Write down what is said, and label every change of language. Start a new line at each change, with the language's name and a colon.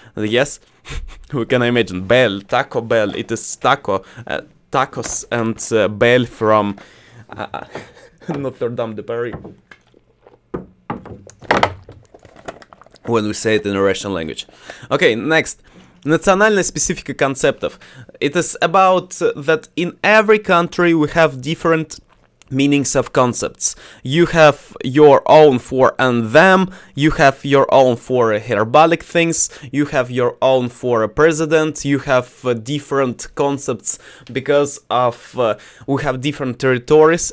English: Yes, we can imagine Bell, Taco Bell. It is taco, tacos, and Bell from Notre Dame de Paris. When we say it in a Russian language. Okay, next.
Russian: Национальная специфика концептов.
English: It is about that in every country we have different meanings of concepts. You have your own for and them, you have your own for herbalic things, you have your own for a president, you have different concepts because of we have different territories.